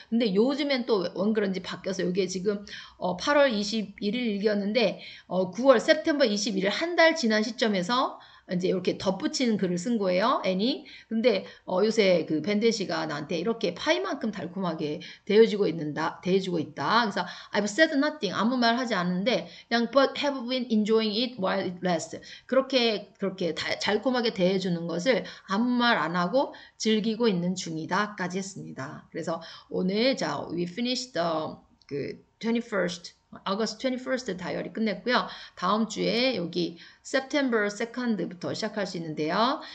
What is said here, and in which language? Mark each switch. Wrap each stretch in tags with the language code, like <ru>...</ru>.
<ko>근데 요즘엔 또원 그런지 바뀌어서 이게 지금 8월 21일이었는데 9월 세프템버 21일 한달 지난 시점에서 이제 이렇게 덧붙인 글을 쓴 거예요. 애니. 근데 요새 그 밴드 씨가 나한테 이렇게 파이만큼 달콤하게 대해주고 있다.</ko> <en>그래서 I've said nothing.</en> <ko>아무 말 하지 않는데 그냥</ko> <en>but have been enjoying it while it lasts.</en> <ko>그렇게 달콤하게 대해주는 것을 아무 말안 하고 즐기고 있는 중이다까지 했습니다. 그래서 오늘 자</ko> <en>we finished the</en> <ko>그 21st August 21st 다이어리 끝냈고요. 다음 주에 여기 September 2nd부터 시작할 수 있는데요.</ko>